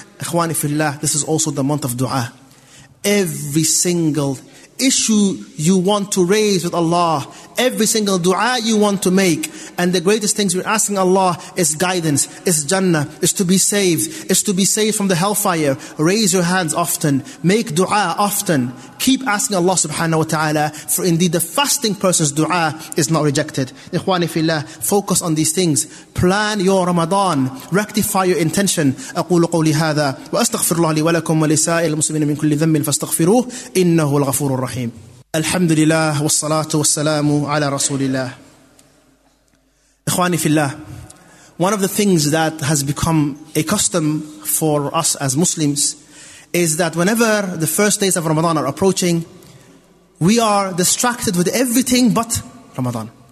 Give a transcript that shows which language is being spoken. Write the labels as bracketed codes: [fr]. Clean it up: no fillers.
[en] Ikhwani fillah, this is also the month of dua. Every single issue you want to raise with Allah, every single dua you want to make, and the greatest things you're asking Allah is guidance, is Jannah, is to be saved, is to be saved from the hellfire. Raise your hands often, make dua often, keep asking Allah subhanahu wa ta'ala, for indeed the fasting person's dua is not rejected. Ikhwani fillah, focus on these things, plan your Ramadan, rectify your intention. [ar] أقول قولي هذا وأستغفر الله لي ولكم ولسائر المسلمين من كل ذنب فاستغفروه إنه الغفور الرحيم. Alhamdulillah, wassalatu wassalamu ala rasulillah. [en] Ikhwani fillah, one of the things that has become a custom for us as Muslims is that whenever the first days of Ramadan are approaching, we are distracted with everything but Ramadan.